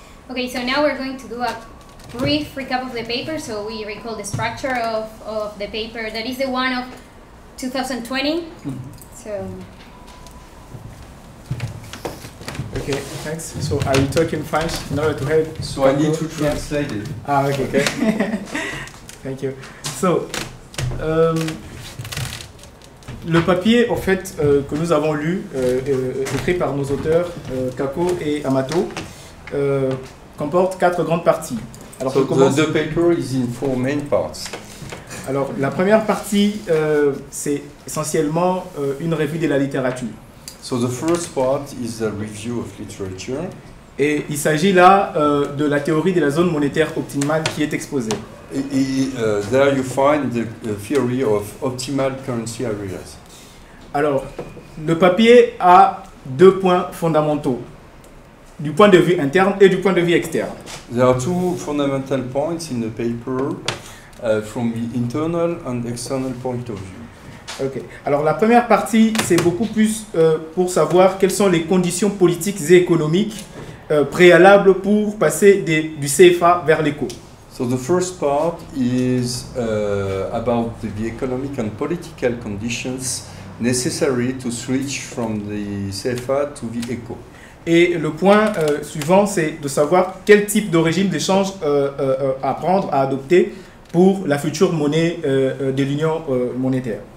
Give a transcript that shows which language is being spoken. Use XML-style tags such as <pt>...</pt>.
<en>Okay, so now we're going to do a brief recap of the paper. So we recall the structure of the paper. That is the one of 2020. Mm-hmm. So. Okay, thanks. So are you talking French in order to help? So I need to translate it. Okay. Thank you.</en> <fr>So, le papier en fait que nous avons lu, écrit par nos auteurs Kako et Amato, comporte 4 grandes parties.</fr> <en>Alors, so the paper is in 4 main parts.</en> <fr>Alors, la première partie, c'est essentiellement une revue de la littérature.</fr> <en>So the first part is a review of literature.</en> <fr>Et il s'agit là de la théorie de la zone monétaire optimale qui est exposée.</fr> <en>Et there you find the theory of optimal currency areas.</en> <fr>Alors, le papier a 2 points fondamentaux, du point de vue interne et du point de vue externe.</fr> <en>There are 2 fundamental points in the paper. From the internal and external point of view. Ok.</en> <fr>Alors la première partie, c'est beaucoup plus pour savoir quelles sont les conditions politiques et économiques préalables pour passer du CFA vers l'éco.</fr> <en>So the first part is about the economic and political conditions necessary to switch from the CFA to the ECO.</en> <fr>Et le point suivant, c'est de savoir quel type de régime d'échange à prendre, à adopter pour la future monnaie de l'union monétaire.</fr>